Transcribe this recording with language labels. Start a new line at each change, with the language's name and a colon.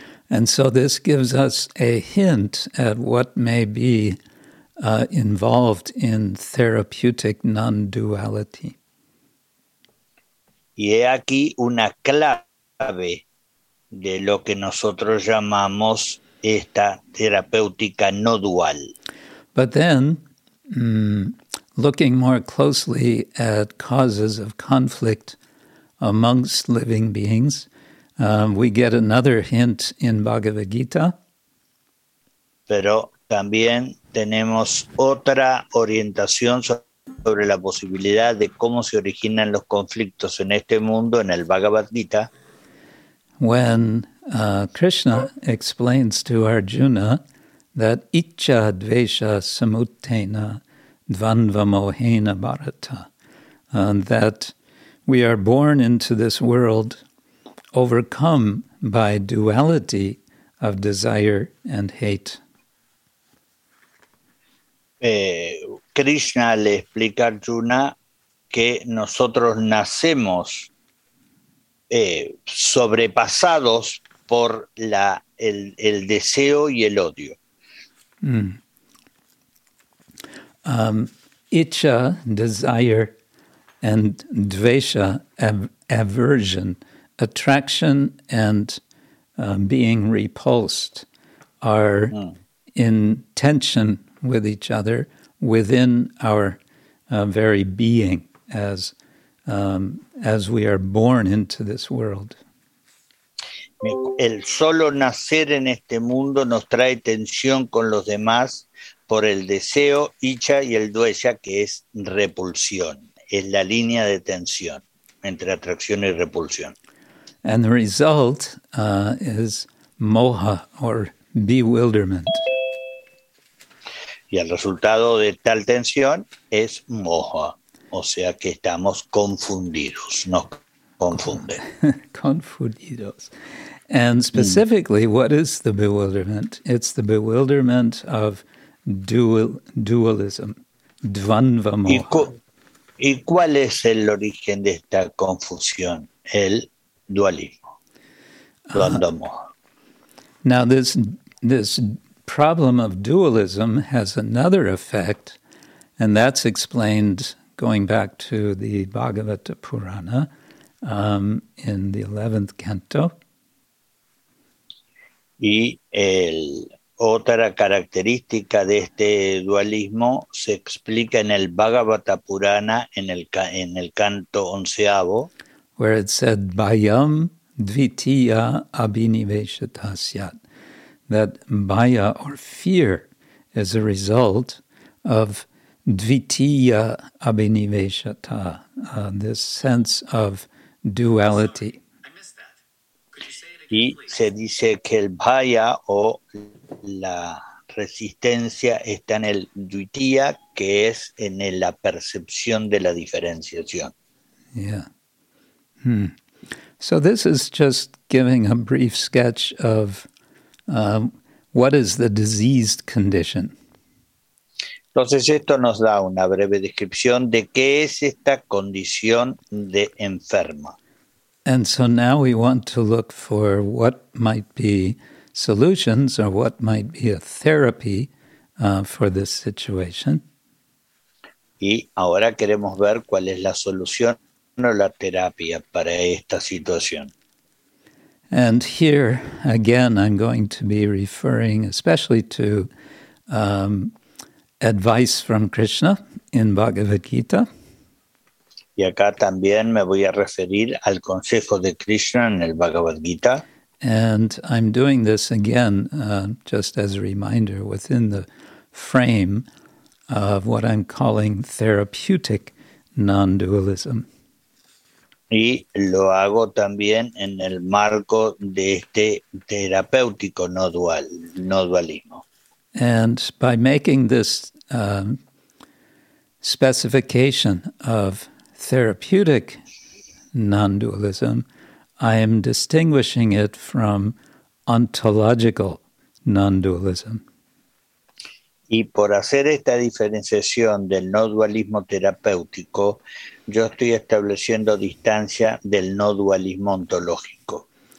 English: And so this gives us a hint at what may be involved in therapeutic non-duality.
Spanish: Y he aquí una clave de lo que nosotros llamamos esta terapéutica no dual.
English: But then, looking more closely at causes of conflict amongst living beings, we get another hint in Bhagavad Gita.
Spanish: Pero también tenemos otra orientación sobre la posibilidad de cómo se originan los conflictos en este mundo en el Bhagavad Gita.
English: When Krishna explains to Arjuna that
Sanskrit: Icha Dvesha Samuttena Dvandva Mohena Bharata,
English: that we are born into this world overcome by duality of desire and hate.
Spanish: Krishna le explica a Arjuna que nosotros nacemos sobrepasados por el deseo y el odio.
English: Icha, desire, and dvesha, aversion, attraction and being repulsed are in tension with each other, within our very being as we are born into this world.
Spanish: El solo nacer en este mundo nos trae tensión con los demás por el deseo, icha y el duella, que es repulsión. Es la línea de tensión entre atracción y repulsión.
English: And the result is moha, or bewilderment.
Spanish: Y el resultado de tal tensión es moha, o sea que estamos confundidos, no confunden. Confundidos.
English: And specifically, what is the bewilderment? It's the bewilderment of dualism, dvandva moha.
Spanish: ¿Y cuál es el origen de esta confusión? El dualismo, dvandva moha.
English: Now, this problem of dualism has another effect, and that's explained going back to the Bhagavata Purana in the 11th canto.
Spanish: Y el otra característica de este dualismo se explica en el Bhagavata Purana en el canto onceavo,
English: where it said
Sanskrit: bhayam dvitiya abhinivesitasyat,
English: that bhaya, or fear, is a result of dvitiya abhinivesita, this sense of duality.
Spanish: Y se dice que el bhaya o la resistencia está en el dvitiya, que es en la percepción de la diferenciación.
English: Yeah. So this is just giving a brief sketch of what is the diseased condition.
Spanish: Entonces esto nos da una breve descripción de qué es esta condición de enfermo.
English: And so now we want to look for what might be solutions or what might be a therapy for this situation.
Spanish: Y ahora queremos ver cuál es la solución o la terapia para esta situación.
English: And here, again, I'm going to be referring especially to advice from Krishna in Bhagavad Gita.
Spanish: Y acá también me voy a referir al consejo de Krishna en el Bhagavad Gita.
English: And I'm doing this again, just as a reminder, within the frame of what I'm calling therapeutic non-dualism.
Spanish: Y lo hago también en el marco de este terapéutico no dualismo.
English: And by making this specification of therapeutic non-dualism, I am distinguishing it from ontological non-dualism.
Spanish: Y por hacer esta diferenciación del no dualismo terapéutico, yo estoy estableciendo distancia del no dualismo ontológico.